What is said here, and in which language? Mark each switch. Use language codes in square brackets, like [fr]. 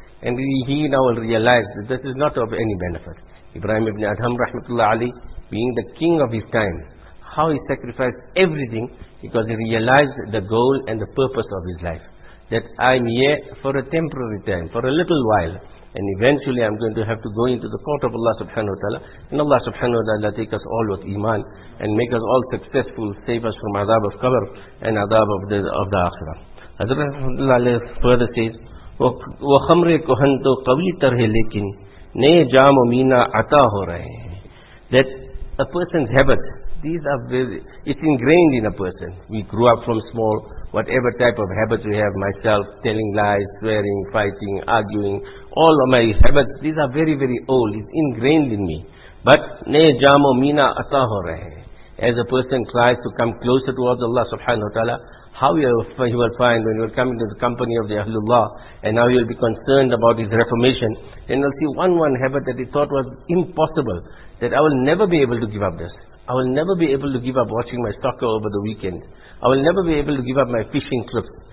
[en] And he now will realize that this is not of any benefit. Ibrahim ibn Adham rahmatullah alayh, being the king of his time, how he sacrificed everything because he realized the goal and the purpose of his life. That I'm here for a temporary time, for a little while, and eventually I'm going to have to go into the court of Allah subhanahu wa ta'ala, and Allah subhanahu wa ta'ala take us all with iman and make us all successful, save us from azab of qabr and azab of the akhirah. Hazrat rahmatullah alayh further says, [ur] وہ خمر کوہن تو قوی تر ہے لیکن نئے جام و مینا عطا ہو رہے ہیں. [en] That a person's habits, these are very, it's ingrained in a person. We grew up from small, whatever type of habits we have, myself, telling lies, swearing, fighting, arguing, all of my habits, these are very, very old, it's ingrained in me. But [ur] نئے جام و مینا عطا ہو رہے ہیں. [en] As a person tries to come closer towards Allah subhanahu wa ta'ala, how he will find when he will come into the company of the Ahlullah, and now he will be concerned about his reformation, then he will see one habit that he thought was impossible, that I will never be able to give up this. I will never be able to give up watching my soccer over the weekend. I will never be able to give up my fishing trips.